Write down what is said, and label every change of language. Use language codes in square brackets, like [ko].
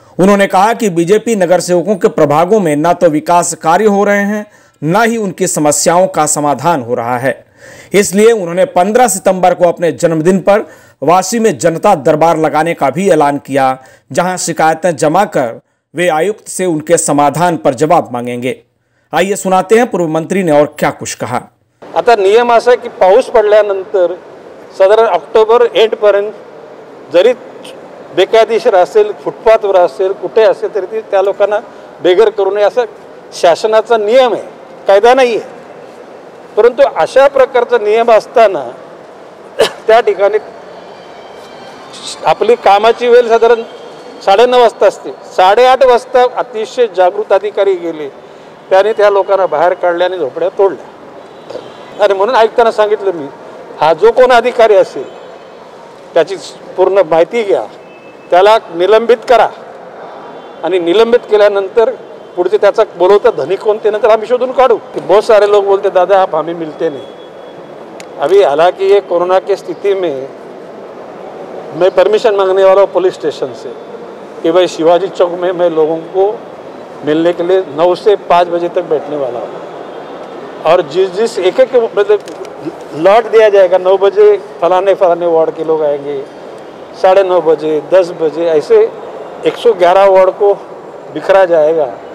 [hi] उन्होंने कहा कि बीजेपी नगर सेवकों के प्रभागों में न तो विकास कार्य हो रहे हैं न ही उनकी समस्याओं का समाधान हो रहा है, इसलिए उन्होंने 15 सितंबर को अपने जन्मदिन पर वासी में जनता दरबार लगाने का भी ऐलान किया, जहां शिकायतें जमा कर वे आयुक्त से उनके समाधान पर जवाब मांगेंगे। आइए सुनाते हैं पूर्व मंत्री ने और क्या कुछ कहा। [mr] आता नियम असा की पाऊस पडल्यानंतर साधारण ऑक्टोबर एंड पर्यंत जरी बेकायदेशीर असेल, फुटपाथ वर असेल, कुठे असेल, तरी ती त्या लोकांना बेघर करू नये असा शासनाचा नियम आहे, कायदा नाही आहे। परंतु अशा प्रकारचा नियम असताना त्या ठिकाणी आपली कामाची वेळ साधारण 9:30 असते, 8:30 अतिशय जागृत अधिकारी गेले, त्याने त्या लोकांना बाहेर काढले आणि झोपड्या तोडल्या। आणि म्हणून आयुक्तांना सांगितलं मी, हा जो कोण अधिकारी असेल त्याची पूर्ण माहिती घ्या, त्याला निलंबित करा, आणि निलंबित केल्यानंतर पुढचे त्याचा बोलवता धनी कोण ते नंतर आम्ही शोधून काढू। [hi] बहुत सारे लोक बोलते दादा आप हमें मिलते नहीं, अभी हालांकि ये कोरोना के स्थिति में मैं परमिशन मांगने वाला हूँ पुलिस स्टेशन से कि भाई शिवाजी चौक में मैं लोगों को मिलने के लिए 9 से 5 बजे तक बैठने वाला हूँ, और जिस एक एक मतलब लौट दिया जाएगा 9 बजे फलाने फलाने वार्ड के लोग आएंगे, 9:30 बजे, 10 बजे, ऐसे 111 वार्ड को बिखरा जाएगा।